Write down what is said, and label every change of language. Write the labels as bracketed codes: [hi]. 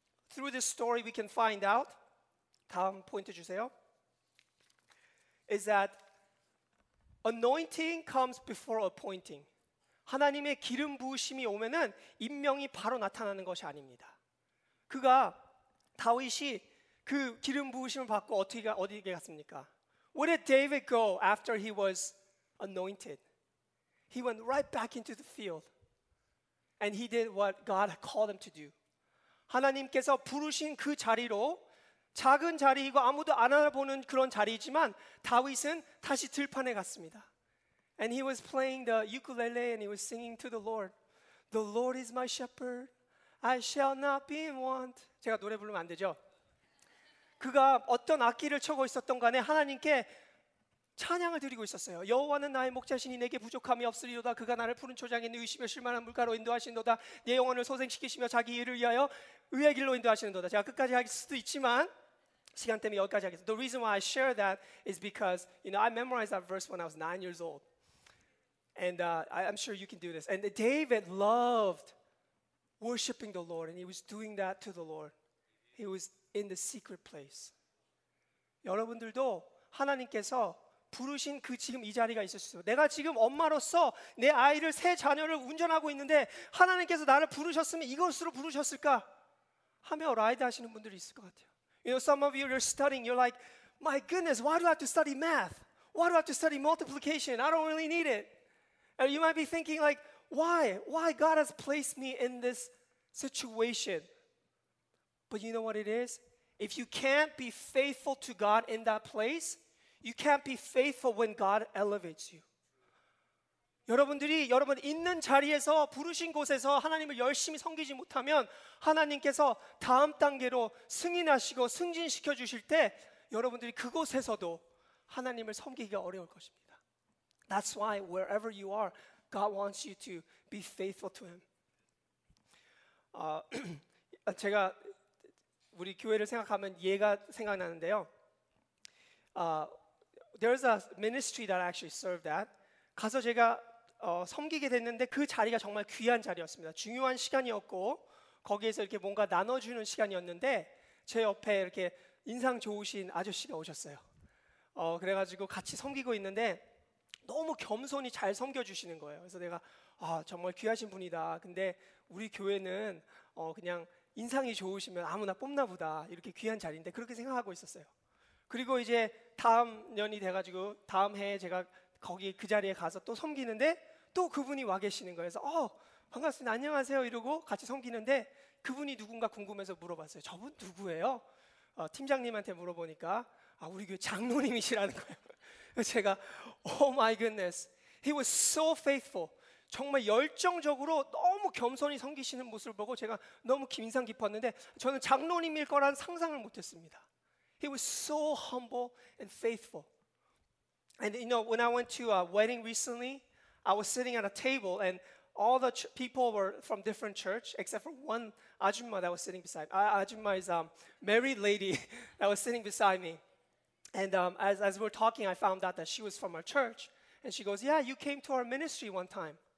[en] Through this story, we can find out, [ko] 다음 포인트 주세요, [en] is that anointing comes before appointing. [ko] 하나님의 기름 부으심이 오면은 임명이 바로 나타나는 것이 아닙니다. 그가 다윗이 그 기름 부으심을 받고 어디에 갔습니까? [en] Where did David go after he was anointed? He went right back into the field. And he did what God called him to do. [ko] 하나님께서 부르신 그 자리로, 작은 자리이고 아무도 안 알아보는 그런 자리이지만 다윗은 다시 들판에 갔습니다. [en] And he was playing the ukulele and he was singing to the Lord. The Lord is my shepherd. I shall not be in want. [ko] 제가 노래 부르면 안 되죠? 그가 어떤 악기를 쳐고 있었던 간에 하나님께 찬양을 드리고 있었어요. 여호와는 나의 목자시니 내게 부족함이 없으리로다. 그가 나를 푸른 초장에 누이시며 쉴만한 물가로 인도하시는도다. 내 영혼을 소생시키시며 자기 일을 위하여 의의 길로 인도하시는도다. 제가 끝까지 할 수도 있지만 시간 때문에 여기까지 하겠습니다. [en] The reason why I share that is because, you know, I memorized that verse when I was 9 years old. And I'm sure you can do this. And David loved worshiping the Lord. And he was doing that to the Lord. He was in the secret place. [ko] 여러분들도 하나님께서 부르신 그 지금 이 자리가 있을 수 있어요. 내가 지금 엄마로서 내 아이를 새 자녀를 운전하고 있는데 하나님께서 나를 부르셨으면 이것으로 부르셨을까 하며 라이드 하시는 분들이 있을 것 같아요. [en] You know, some of you, you're studying. You're like, my goodness, why do I have to study math? Why do I have to study multiplication? I don't really need it. And you might be thinking like, why? Why God has placed me in this situation? But you know what it is? If you can't be faithful to God in that place, you can't be faithful when God elevates you. [ko] 여러분들이 여러분 있는 자리에서 부르신 곳에서 하나님을 열심히 섬기지 못하면 하나님께서 다음 단계로 승인하시고 승진시켜 주실 때 여러분들이 그곳에서도 하나님을 섬기기가 어려울 것입니다. [en] That's why wherever you are, God wants you to be faithful to Him. [ko] 제가 우리 교회를 생각하면 예가 생각나는데요. [en] There's a ministry that I actually served at. [ko] 가서 제가 섬기게 됐는데 그 자리가 정말 귀한 자리였습니다. 중요한 시간이었고 거기에서 이렇게 뭔가 나눠주는 시간이었는데 제 옆에 이렇게 인상 좋으신 아저씨가 오셨어요. 그래가지고 같이 섬기고 있는데 너무 겸손히 잘 섬겨주시는 거예요. 그래서 내가 정말 귀하신 분이다. 근데 우리 교회는 그냥 인상이 좋으시면 아무나 뽑나 보다. 이렇게 귀한 자리인데 그렇게 생각하고 있었어요. 그리고 이제 다음 년이 돼가지고 다음 해에 제가 거기 그 자리에 가서 또 섬기는데 또 그분이 와 계시는 거예요. 그래서 반갑습니다. 안녕하세요. 이러고 같이 섬기는데 그분이 누군가 궁금해서 물어봤어요. 저분 누구예요? 팀장님한테 물어보니까 우리 교회 장로님이시라는 거예요. 그래서 제가 [en] Oh my goodness. He was so faithful. [ko] 정말 열정적으로 너무 겸손히 섬기시는 모습을 보고 제가 너무 인상 깊었는데 저는 장로님일 거란 상상을 못했습니다. [en] He was so humble and faithful. And you know, when I went to a wedding recently, I was sitting at a table and all the people were from different church except for one ajumma that was sitting beside me. Ajumma is a married lady that was sitting beside me. And as we were talking, I found out that she was from our church. And she goes, yeah, you came to our ministry one time.